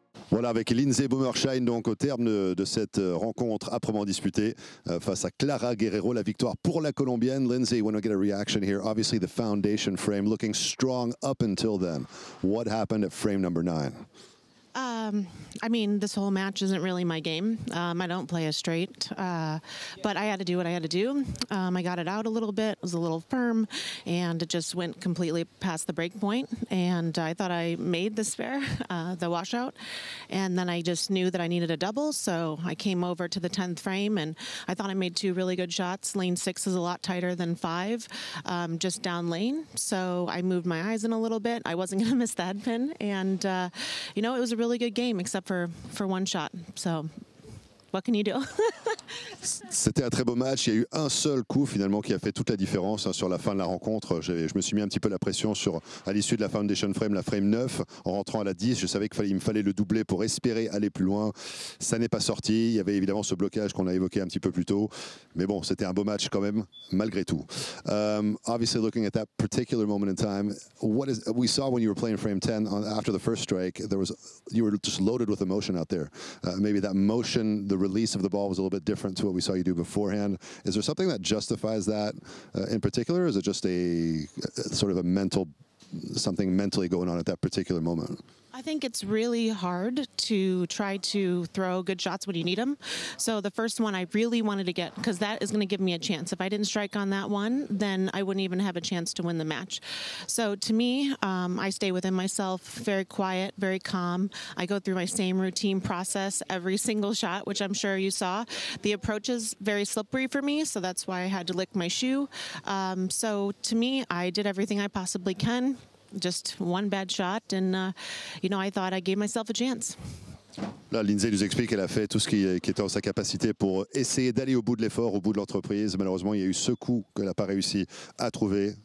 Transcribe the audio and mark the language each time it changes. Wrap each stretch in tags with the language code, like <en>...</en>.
<fr>Voilà, avec Lindsay Boomershine, donc au terme de cette rencontre âprement disputée face à Clara Guerrero, la victoire pour la Colombienne.</fr> <en>Lindsay, when we get a reaction here, obviously the foundation frame looking strong up until then. What happened at frame number 9? I mean, this whole match isn't really my game. I don't play a straight, but I had to do what I had to do. I got it out a little bit, it was a little firm, and it just went completely past the break point. And I thought I made the spare, the washout, and then I just knew that I needed a double. So I came over to the 10th frame, and I thought I made two really good shots. Lane 6 is a lot tighter than 5, just down lane. So I moved my eyes in a little bit. I wasn't going to miss the head pin, and you know, it was a really good game, except for one shot. So, what can you do?</en> <fr>C'était un très beau match. Il y a eu un seul coup finalement qui a fait toute la différence sur la fin de la rencontre. Je me suis mis un petit peu la pression sur à l'issue de la foundation frame, la frame 9, en rentrant à la 10. Je savais qu'il me fallait le doubler pour espérer aller plus loin. Ça n'est pas sorti. Il y avait évidemment ce blocage qu'on a évoqué un petit peu plus tôt. Mais bon, c'était un beau match quand même malgré tout.</fr> <en>Obviously, looking at that particular moment in time, what is we saw when you were playing frame 10 on, after the first strike, there was you were just loaded with emotion out there. Maybe that motion, the release of the ball was a little bit different to what we saw you do beforehand. Is there something that justifies that in particular, or is it just a sort of a mental, something mentally going on at that particular moment? I think it's really hard to try to throw good shots when you need them. So the first one I really wanted to get, because that is going to give me a chance. If I didn't strike on that one, then I wouldn't even have a chance to win the match. So to me, I stay within myself, very quiet, very calm. I go through my same routine process every single shot, which I'm sure you saw. The approach is very slippery for me, so that's why I had to lick my shoe. So to me, I did everything I possibly can. Just one bad shot, and you know, I thought I gave myself a chance.</en> <fr>Là, Lindsay nous explique qu'elle a fait tout ce qui était en sa capacité pour essayer d'aller au bout de l'effort, au bout de l'entreprise. Malheureusement, il y a eu ce coup qu'elle n'a pas réussi à trouver.</fr>